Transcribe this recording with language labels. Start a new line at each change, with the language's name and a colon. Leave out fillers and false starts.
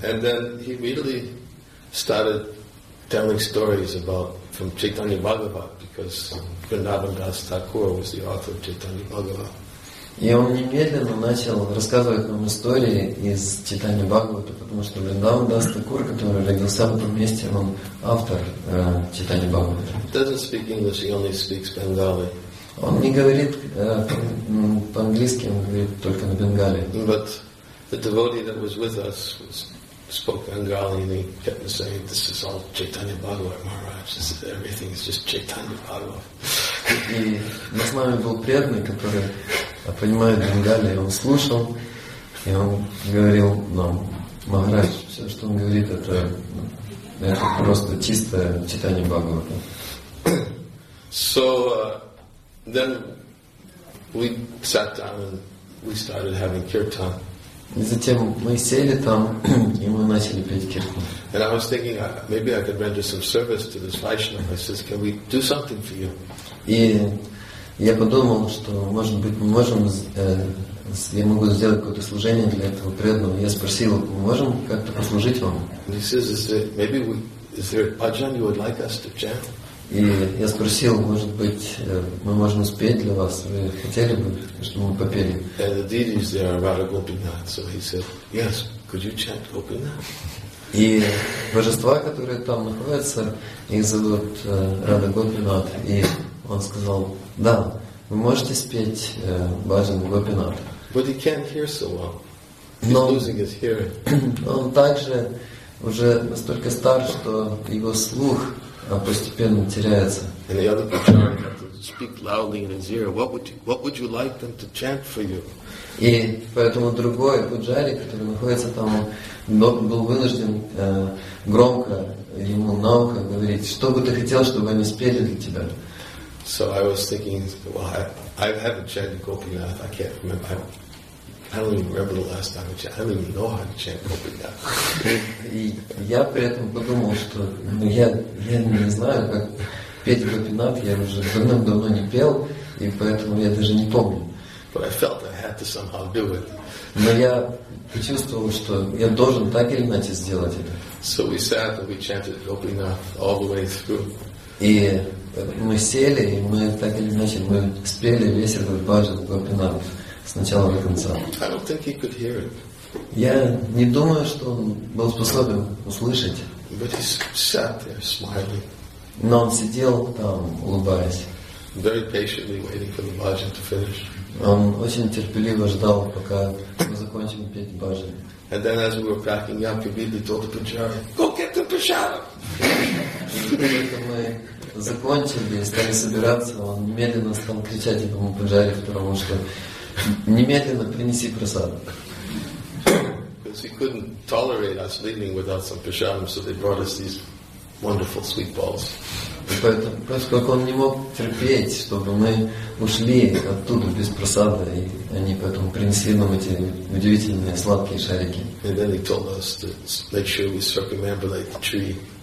English: And then he immediately started telling stories about from Chaitanya Bhagavat, because Vrindavan Das Thakur was the author of Chaitanya Bhagavat.
Russian: И он немедленно начал рассказывать нам истории из Чайтанья Бхагавата, потому что Вриндаван Дас Такур, который родился в этом месте, он автор Чайтанья Бхагавата.
English: He doesn't speak English, he only speaks Bengali.
Russian: Он не говорит по-английски, он говорит только на Бенгали.
English: But the devotee that was with us was spoke Bengali, and he kept saying, "This is all Chaitanya Bhagavat, Maharaj. This is everything. It's just Chaitanya Bhagavat."
Russian: И мы с нами был преданный, который понимает Бенгали. Он слушал, и он говорил нам: "Махарадж, все, что он говорит, это просто чистое Chaitanya Bhagavat."
English: So then we sat down and we started having kirtan.
Russian: И затем мы сели там, и мы начали петь киртан.
English: And I was thinking, maybe I could render some service to this Vaishnava. I says, can we do something for you?
Russian: И я подумал, что, может быть, мы можем, я могу сделать какое-то служение для этого преданного. Я спросил, мы можем как-то послужить вам?
English: And he says, is there a bhajan you would like us to chant?
Russian: И я спросил, может быть, мы можем спеть для вас? Вы хотели бы, чтобы мы попели?
English: And the deity is there, Radha Gopinath. So he said, yes, could you chant Gopinath?
Russian: И божества, которые там находятся, их зовут Радха Гопинат. И он сказал, да, вы можете спеть Баджан Гопинат.
English: But he can't hear so well. He's losing his hearing.
Russian: Он также уже настолько стар, что его слух постепенно теряется.
English: And the other pujari had to speak loudly in his ear. What would you like them to chant for you?
Russian: И поэтому другой пуджари, который находится там, был вынужден громко ему на ухо говорить, что бы ты хотел, чтобы они спели для тебя.
English: So I was thinking, well, I haven't chanted Gopinath. I can't remember. I don't even remember the last time I chanted. I don't even know how to chant Gopinath.
Russian: И я при этом подумал, что я не знаю, как петь Гопинатх. Я уже давным-давно не пел, и поэтому я даже не помню.
English: But I felt I had to somehow do it.
Russian: Но я почувствовал, что я должен так или иначе сделать это.
English: So we sat and we chanted Gopinath all the way through.
Russian: И мы сели, и мы так или иначе мы спели весь этот баджан Гопинатх с начала до конца.
English: I don't think he could hear it.
Russian: Я не думаю, что он был способен услышать.
English: But he sat there smiling.
Russian: Но он сидел там, улыбаясь.
English: Very patiently waiting for the bhajan to finish.
Russian: Он очень терпеливо ждал, пока мы закончим петь баджан.
English: And then as we were packing up, he immediately told the pujari, go get the prasadam.
Russian: Мы закончили и стали собираться, он немедленно стал кричать этому пуджари, потому что немедленно принеси прасад.
English: Because he couldn't tolerate us leaving without some prasadam, so they brought us these wonderful sweet balls.
Russian: Поэтому, поскольку он не мог терпеть, чтобы мы ушли оттуда без просада, и они поэтому принесли нам эти удивительные сладкие шарики.
English: And then he told us to make sure we circumambulate the tree.